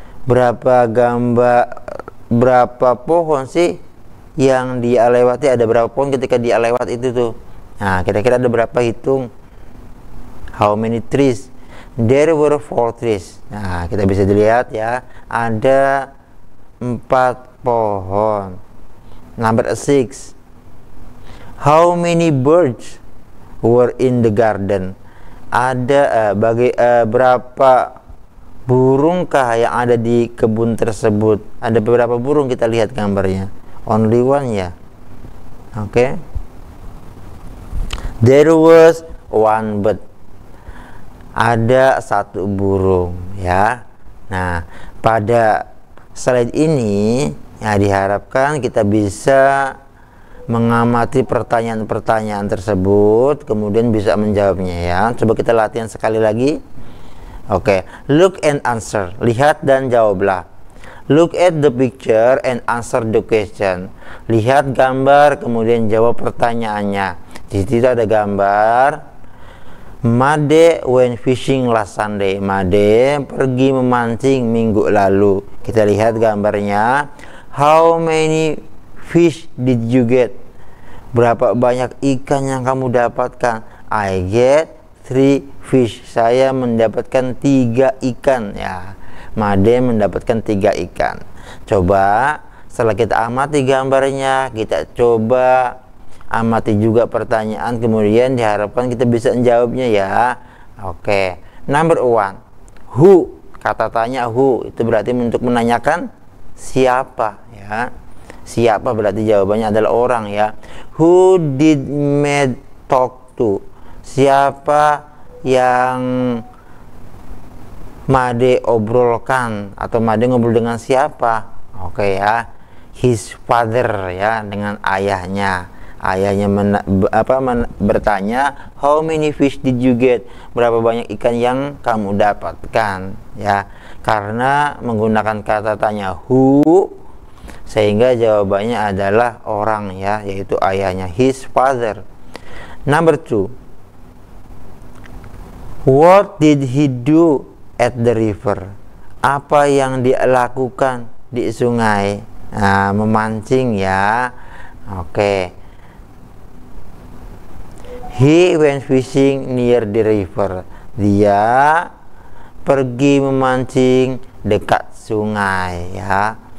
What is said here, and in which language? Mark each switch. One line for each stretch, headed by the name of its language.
Indonesian: Berapa gambar, berapa pohon sih yang dia lewati? Ada berapa pohon ketika dia lewat itu tuh? Nah, kira-kira ada berapa, hitung.
English: How many trees? There were four trees.
Indonesian: Nah, kita bisa dilihat ya, ada empat pohon.
English: Number six, how many birds were in the garden?
Indonesian: Ada berapa burungkah yang ada di kebun tersebut? Ada beberapa burung, kita lihat gambarnya.
English: Only one ya. Oke. There was one bird.
Indonesian: Ada satu burung ya. Nah, pada slide ini ya, diharapkan kita bisa mengamati pertanyaan-pertanyaan tersebut, kemudian bisa menjawabnya ya. Coba kita latihan sekali lagi. Oke,
English: look and answer.
Indonesian: Lihat dan jawablah.
English: Look at the picture and answer the question.
Indonesian: Lihat gambar kemudian jawab pertanyaannya. Di situ ada gambar.
English: Made went fishing last Sunday.
Indonesian: Made pergi memancing minggu lalu. Kita lihat gambarnya.
English: How many fish did you get?
Indonesian: Berapa banyak ikan yang kamu dapatkan?
English: I get three fish.
Indonesian: Saya mendapatkan tiga ikan ya. Made mendapatkan tiga ikan. Coba setelah kita amati gambarnya, kita coba amati juga pertanyaan, kemudian diharapkan kita bisa menjawabnya ya. Oke, number one, who, kata tanya who itu berarti untuk menanyakan siapa ya. Siapa berarti jawabannya adalah orang ya.
English: Who did Mad talk to?
Indonesian: Siapa yang Made obrolkan atau Made ngobrol dengan siapa? Oke ya,
English: his father
Indonesian: ya, dengan ayahnya. Ayahnya bertanya,
English: how many fish did you get?
Indonesian: Berapa banyak ikan yang kamu dapatkan? Ya, karena menggunakan kata tanya who, sehingga jawabannya adalah orang ya, yaitu ayahnya,
English: his father. Number two, what did he do at the river?
Indonesian: Apa yang dia lakukan di sungai? Nah, memancing ya. Oke.
English: He went fishing near the river. Dia
Indonesian: pergi memancing dekat sungai, ya.